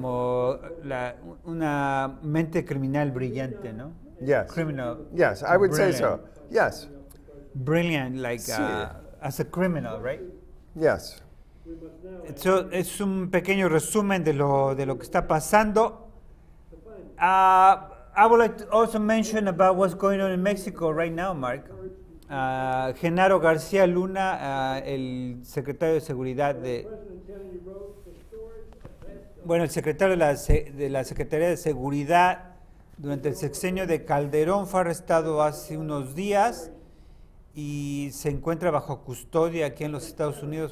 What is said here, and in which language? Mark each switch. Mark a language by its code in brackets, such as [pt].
[es] Como una mente criminal brillante, ¿no? [en] Yes. Criminal. Yes, I would say so. Yes. Brilliant, like as a criminal, right? Yes. [es] So es un pequeño resumen de lo que está pasando. [en] I would like to also mention about what's going on in Mexico right now, Mark. [es] Genaro García Luna, el secretario de seguridad el secretario de la Secretaría de Seguridad durante el sexenio de Calderón fue arrestado hace unos días y se encuentra bajo custodia aquí en los Estados Unidos.